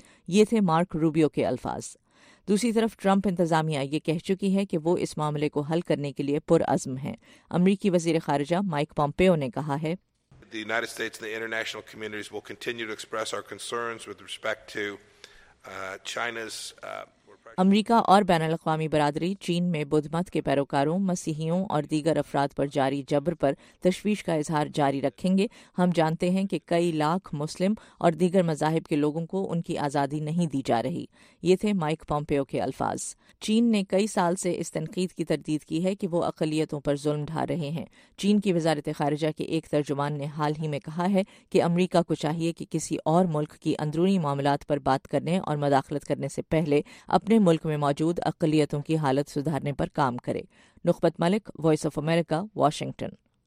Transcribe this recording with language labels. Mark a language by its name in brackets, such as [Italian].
[Urdu] یہ تھے mark Rubio کے الفاظ. دوسری طرف ٹرمپ انتظامیہ یہ کہہ چکی ہے کہ وہ اس معاملے کو حل کرنے کے لیے پرعزم ہیں. امریکی وزیر خارجہ مائیک پومپیو نے کہا ہے، [English] The United States and the international communities will continue to express our concerns with respect to China's [Urdu] امریکہ اور بین الاقوامی برادری چین میں بدھ مت کے پیروکاروں، مسیحیوں اور دیگر افراد پر جاری جبر پر تشویش کا اظہار جاری رکھیں گے۔ ہم جانتے ہیں کہ کئی لاکھ مسلم اور دیگر مذاہب کے لوگوں کو ان کی آزادی نہیں دی جا رہی۔ یہ تھے مائیک پومپیو کے الفاظ۔ چین نے کئی سال سے اس تنقید کی تردید کی ہے کہ وہ اقلیتوں پر ظلم ڈھا رہے ہیں۔ چین کی وزارت خارجہ کے ایک ترجمان نے حال ہی میں کہا ہے کہ امریکہ کو چاہیے کہ کسی اور ملک کی اندرونی معاملات پر بات کرنے اور مداخلت کرنے سے پہلے اپنے ملک میں موجود اقلیتوں کی حالت سدھارنے پر کام کرے۔ نخبت ملک، وائس آف امریکہ، واشنگٹن۔